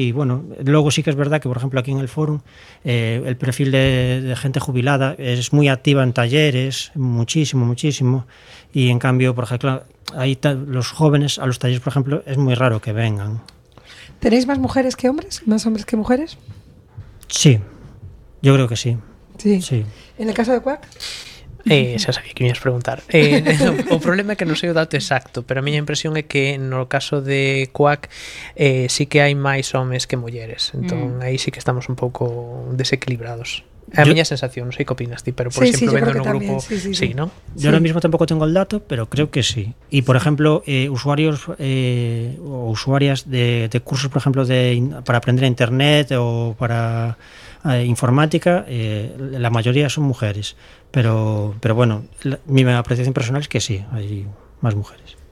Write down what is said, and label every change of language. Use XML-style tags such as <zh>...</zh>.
<es>Y bueno, luego sí que es verdad que, por ejemplo, aquí en el foro, el perfil de gente jubilada es muy activa en talleres, muchísimo, muchísimo. Y en cambio, por ejemplo, ahí los jóvenes a los talleres, por ejemplo, es muy raro que vengan. ¿Tenéis más mujeres que hombres? ¿Más hombres que mujeres? Sí, yo creo que sí. Sí. Sí. ¿En el caso de CUAC?</es> <gl>Xa sabía que me ibas preguntar. O problema é que non sei o dato exacto, pero a miña impresión é que no caso de CUAC sí que hai máis homes que mulleres. Entón aí sí que estamos un pouco desequilibrados. A miña sensación, non sei que opinas ti, pero por exemplo, sí, vendo en un grupo, sí, ¿no?</gl> <es>Yo ahora mismo tampoco tengo el dato, pero creo que sí. Y por ejemplo, usuarios o usuarias de cursos, por ejemplo, para aprender a internet o para informática, la mayoría son mujeres. Pero bueno, mi apreciación personal es que sí, hay más mujeres.</es>